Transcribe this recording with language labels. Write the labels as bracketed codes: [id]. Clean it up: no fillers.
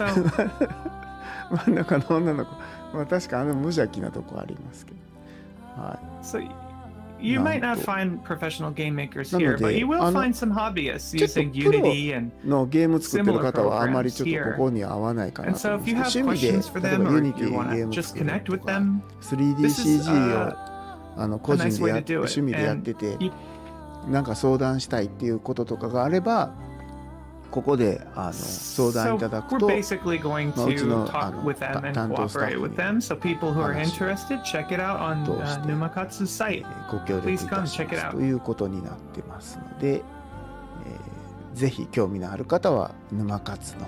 [ja] いいですよね。PA Worksさんに。キャラ描いてもらえ。これアニメ化されたらゴロリン登場するんですね。いいな、いいですね。真ん中の女の子。まあ確かあの無邪気なとこありますけど。はい。 [en] So you might not find professional game makers here, but you will find some hobbyists using Unity and similar programs here. [ja] ちょっとプロのゲーム作ってる方はあまりちょっとここに合わないかなと。 [en] And so if you have questions for them or if you want to just connect with them, this is [ja] あの個人でやってて趣味でやってて、なんか相談したいっていうこととかがあれば。ここで相談いただくと、担当スタッフに。 [en] So people who are interested, check it out on Numakatsu's site. Please come check it out. [ja] ということになってますので、ぜひ興味のある方は沼勝の。